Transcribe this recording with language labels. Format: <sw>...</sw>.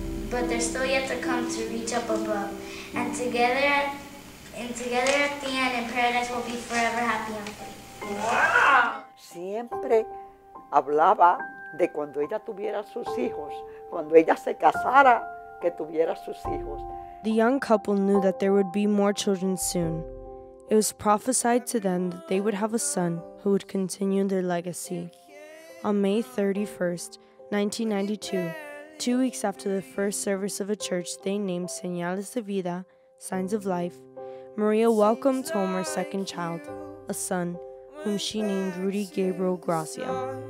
<en>But there's still yet to come to reach up above. And together at the end in paradise, we'll be forever happy and free. Wow!</en> <es>Siempre hablaba de cuando ella tuviera sus hijos. Cuando ella se casara, que tuviera sus hijos.</es> <en>The young couple knew that there would be more children soon. It was prophesied to them that they would have a son who would continue their legacy. On May 31st, 1992, 2 weeks after the first service of a church they named Señales de Vida, Signs of Life, Maria welcomed home her second child, a son, whom she named Rudy Gabriel Gracia.</en>